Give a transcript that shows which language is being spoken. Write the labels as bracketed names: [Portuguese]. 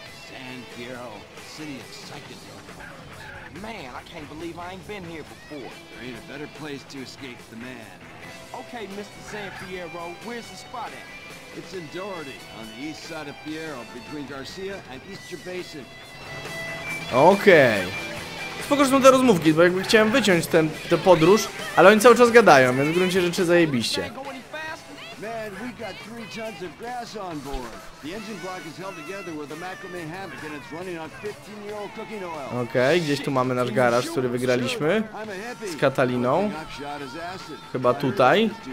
[English] San Fierro, city of psychedelics. Man, I can't believe I ain't been here before. There ain't a better place to escape the man. Okay, Mr. San Fierro, where's the spot at? It's in Doherty, on the east side of Fierro, between Garcia and Easter Basin. Okej. Okay. [Polish] Spokojnie te rozmówki, bo jakby chciałem wyciąć tę podróż, ale oni cały czas gadają, więc w gruncie rzeczy zajebiście. [English] Man, we got 3 tons of gas on board. The engine block is held together with a macrame havoc and it's running on 15-year-old cooking oil. [Polish] Okej, gdzieś tu mamy nasz garaż, który wygraliśmy z Kataliną. Chyba tutaj.